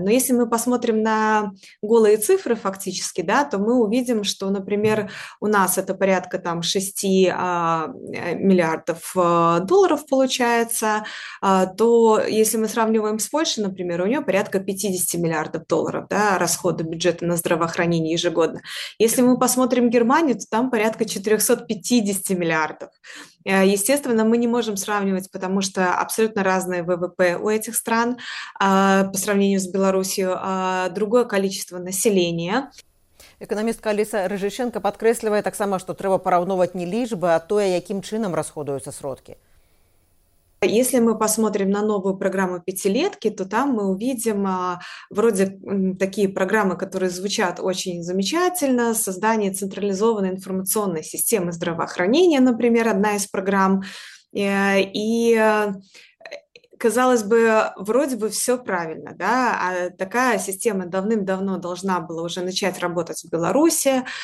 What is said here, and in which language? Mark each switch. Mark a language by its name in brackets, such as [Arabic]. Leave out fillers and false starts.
[Russian] Но если мы посмотрим на голые цифры фактически, да, то мы увидим, что, например, у нас это порядка там 6 миллиардов долларов получается, то если мы сравниваем с Польшей, например, у нее порядка 50 миллиардов долларов, да, расходы бюджета на здравоохранение ежегодно. Если мы посмотрим Германию, то там порядка 450 миллиардов. Естественно, мы не можем сравнивать, потому что абсолютно разные ВВП у этих стран по сравнению с Беларусью, другое количество населения. [Belarusian] Эканамістка Аліса Рыжыченко падкрэслівае таксама, што трэба параўноўваць не лічбы, а тое, якім чынам расходуюцца сродкі. [Russian] Если мы посмотрим на новую программу пятилетки, то там мы увидим вроде такие программы, которые звучат очень замечательно. Создание централизованной информационной системы здравоохранения, например, одна из программ. И казалось бы, вроде бы все правильно, да, а такая система давным-давно должна была уже начать работать в Беларуси.